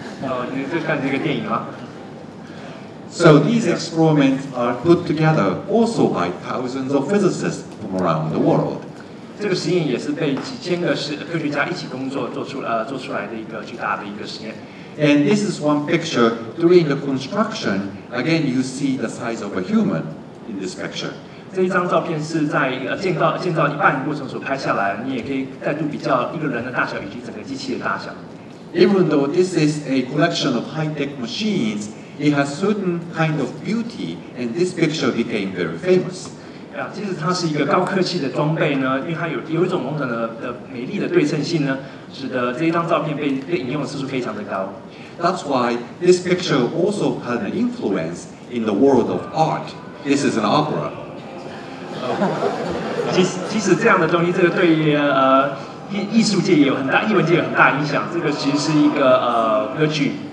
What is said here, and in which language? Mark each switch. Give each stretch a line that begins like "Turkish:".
English: So these experiments are put together also by thousands of physicists from around the world.
Chinese: 这个实验也是被几千个科学家一起工作做出来的一个巨大的一个实验。
English: And this is one picture during the construction. Again, you see the size of a human in this picture.
Chinese: 这一张照片是在建造一半过程所拍下来，你也可以再度比较一个人的大小以及整个机器的大小。
English: Even though this is a collection of high-tech machines, it has certain kind of beauty, and this picture became very famous.
Chinese: 其实它是一个高科技的装备呢，因为它有一种某种的美丽的对称性呢，使得这一张照片被引用的次数非常的高。
English: That's why this picture also had an influence in the world of art. This is an opera.
Chinese: 即使这样的东西，这个对于艺术界也有很大，艺文界有很大影响。这个其实是一个歌剧。